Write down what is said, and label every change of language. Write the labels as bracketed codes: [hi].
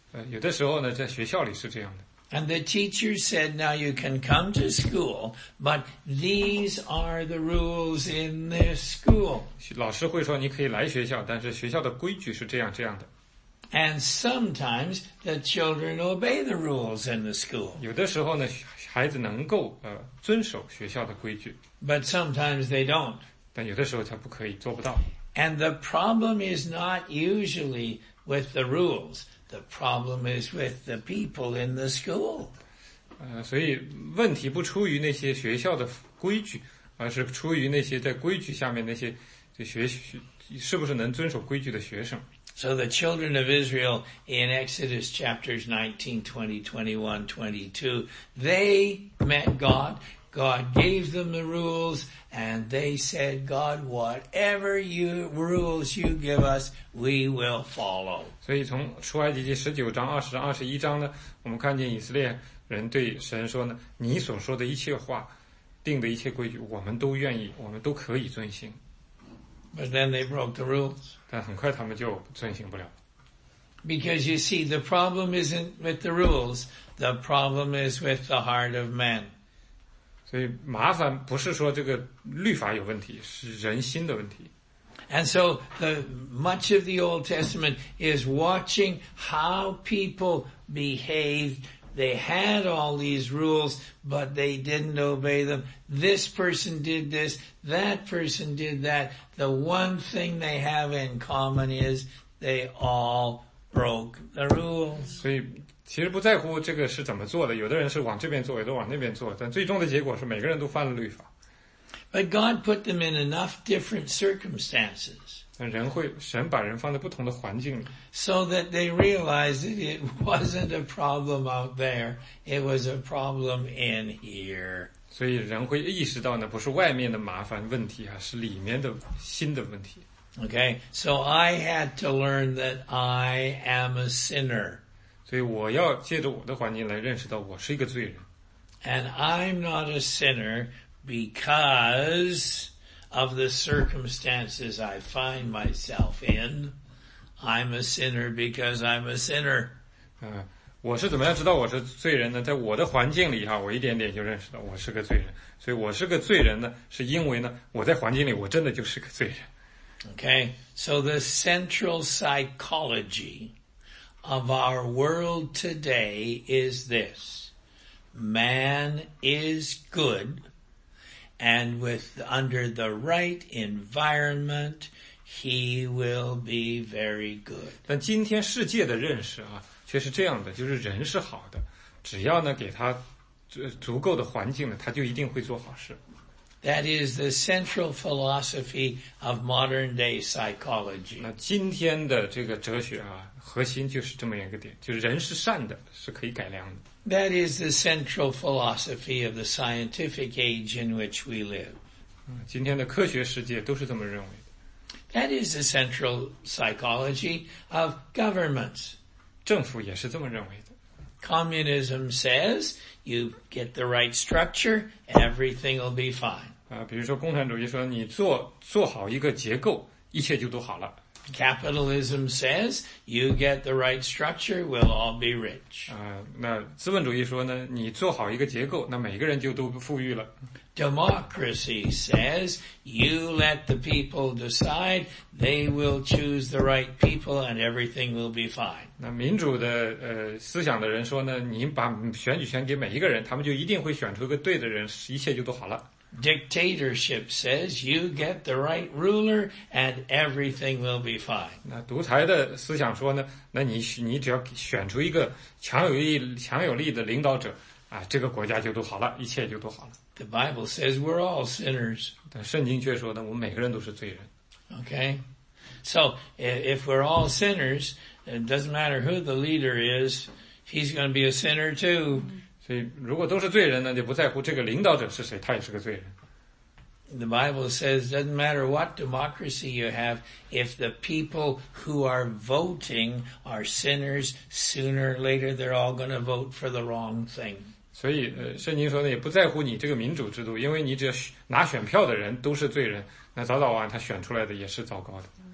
[zh] 有的时候呢，在学校里是这样的。 [en] And the teacher said, now you can come to school, but these are the rules in this school. [zh] 老师会说你可以来学校，但是学校的规矩是这样这样的。 [en] And sometimes the children obey the rules in the school. [zh] 有的时候呢，孩子能够遵守学校的规矩。 [en] But sometimes they don't. [zh] 但有的时候他不可以，做不到。 [en] And the problem is not usually with the rules. The problem is with the people in the school. [zh] 所以问题不出于那些学校的规矩，而是出于那些在规矩下面那些就学是不是能遵守规矩的学生。 [en] So the children of Israel in Exodus chapters 19, 20, 21, 22, they met God. God gave them the rules and they said, God, whatever you rules you give us, we will follow. [zh] 所以从出埃及记19章、20章、21章呢，我们看见以色列人对神说呢，你所说的一切话，定的一切规矩，我们都愿意，我们都可以遵行。 [en] But then they broke the rules. [zh] 但很快他们就遵行不了。 [en] Because you see, the problem isn't with the rules. The problem is with the heart of man. [zh] 所以麻烦不是说这个律法有问题，是人心的问题。 [en] And so the much of the Old Testament is watching how people behaved. They had all these rules, but they didn't obey them. This person did this. That person did that. The one thing they have in common is they all broke the rules. [zh] 其实不在乎这个是怎么做的，有的人是往这边做，有的往那边做，但最终的结果是每个人都犯了律法。 [en] But God put them in enough different circumstances. [zh] 人会，神把人放在不同的环境里。 [en] So that they realized that it wasn't a problem out there, it was a problem in here. [zh] 所以人会意识到呢，不是外面的麻烦问题啊，是里面的新的问题。 [en] Okay, so I had to learn that I am a sinner. [zh] 所以我要借着我的环境来认识到我是一个罪人。 [en] And I'm not a sinner because of the circumstances I find myself in. I'm a sinner because I'm a sinner. [zh] 我是怎么样知道我是罪人呢？在我的环境里哈，我一点点就认识到我是个罪人。所以我是个罪人呢，是因为呢，我在环境里我真的就是个罪人。 [en] Okay, so the central psychology... of our world today is this. Man is good, and with, under the right environment, he will be very good. [zh] 但今天世界的认识啊，却是这样的，就是人是好的，只要呢给他足够的环境呢，他就一定会做好事。 [en] That is the central philosophy of modern day psychology. [zh] 那今天的这个哲学啊，核心就是这么一个点，就是人是善的，是可以改良的。 [en] That is the central philosophy of the scientific age in which we live. [zh] 今天的科学世界都是这么认为的。 [en] That is the central psychology of governments. [zh] 政府也是这么认为的。 [en] Communism says you get the right structure, everything will be fine. [zh] 比如说共产主义说你做好一个结构，一切就都好了。 [en] Capitalism says, you get the right structure, we'll all be rich. [zh] 那资本主义说呢，你做好一个结构，那每个人就都富裕了。 [en] Democracy says, you let the people decide, they will choose the right people and everything will be fine. [zh] 那民主的思想的人说呢，你把选举权给每一个人，他们就一定会选出一个对的人，一切就都好了。 [en] Dictatorship says you get the right ruler and everything will be fine. [zh] 那独裁的思想说呢，那你只要选出一个强有力的领导者啊，这个国家就都好了，一切就都好了。 [en] The Bible says we're all sinners. [zh] 但圣经却说呢，我们每个人都是罪人。 [en] Okay, so if we're all sinners, it doesn't matter who the leader is, he's going to be a sinner too. [zh] 所以如果都是罪人呢，就不在乎这个领导者是谁，他也是个罪人。 [en] The Bible says it doesn't matter what democracy you have, if the people who are voting are sinners, sooner or later they're all going to vote for the wrong thing. [zh] 所以圣经说呢，也不在乎你这个民主制度，因为你只要拿选票的人都是罪人，那早早晚他选出来的也是糟糕的。